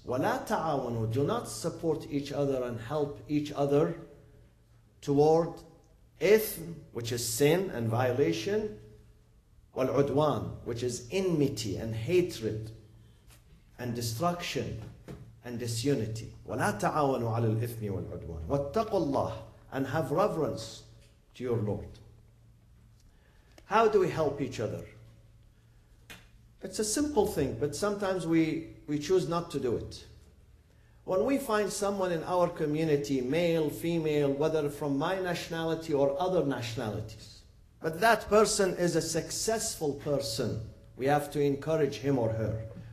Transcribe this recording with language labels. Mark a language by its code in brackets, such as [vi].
[ar] وَلَا تَعَاوَنُوا, [en] do not support each other and help each other toward إثم, which is sin and violation, [ar] وَالْعُدْوَان, [en] which is enmity and hatred and destruction and disunity. [ar] وَلَا تَعَاوَنُوا عَلَى الْإِثْمِ وَالْعُدْوَانِ وَاتَّقُوا اللَّهِ, [en] and have reverence to your Lord. How do we help each other? It's a simple thing, but sometimes we choose not to do it. When we find someone in our community, male, female, whether from my nationality or other nationalities, but that person is a successful person, we have to encourage him or her.